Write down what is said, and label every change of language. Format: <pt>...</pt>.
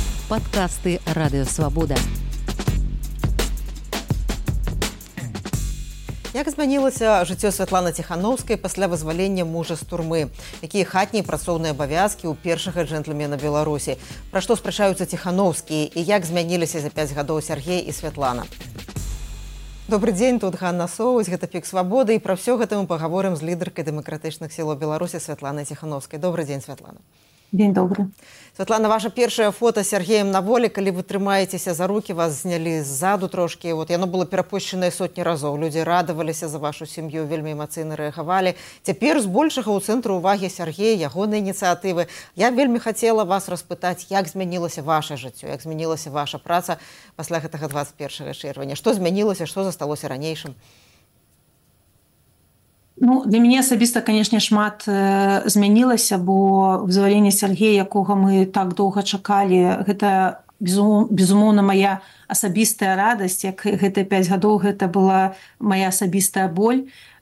<ru>подкасты «Радио Свобода».</ru> <be>Як змянілася жыццё Святланы Ціхановскай пасля вызвалення мужа з турмы? Якія хатнія працоўныя абавязкі ў першага джэнтльмена Беларусі? Пра што спрачаюцца Ціхановскія і як змяніліся за 5 гадоў Сергей і Святлана?</be> <ru>Добрый день,</ru> <be>тут Ганна Соус, гэта Пік Свабоды, і пра ўсё гэта мы пагаворым з лідаркай дэмакратычных сілаў Беларусі Святланай Ціхановскай.</be> <ru>Добрый день, Святлана. День добрый. Светлана, ваше первое фото с Сергеем на воле, когда вы трымаетеся за руки, вас сняли сзаду трошки. Вот, оно было перепущено сотни разов. Люди радовались за вашу семью, вельми эмоционально реагировали. Теперь с большего у центра уваги Сергея, его инициативы. Я вельми хотела вас распытать, как изменилось ваше жизнь, как изменилась ваша праца после этого 21 червня. Что изменилось, что осталось ранейшим?</ru> <be>Ну, для мяне асабіста, канешне, шмат змянілася, бо вызваленне Сергея, якога мы так доўга чакалі, гэта безумоўна мая асабістая радасць, як гэта 5 гадоў гэта была мая асабістая боль.</be>